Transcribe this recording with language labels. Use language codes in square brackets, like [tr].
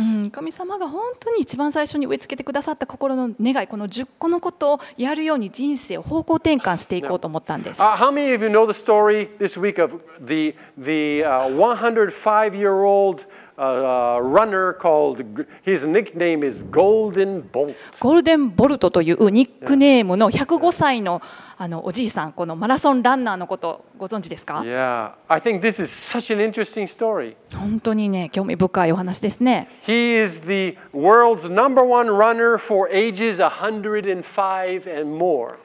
[ja] 神様が本当に一番最初に植え付けてくださった心の願いこの10個のことをやるように人生を方向転換していこうと思ったんです。 [en] How many of you know the story this week of the 105-year-old runner called his nickname is Golden Bolt. [ja] Golden Bolt というニックネームの105歳のあのおじいさんこのマラソンランナーのことご存知ですか？ [en] Yeah, I think this is such an interesting story. [ja] 本当にね興味深いお話ですね。 [en] He is the world's number one runner for ages 105 and more.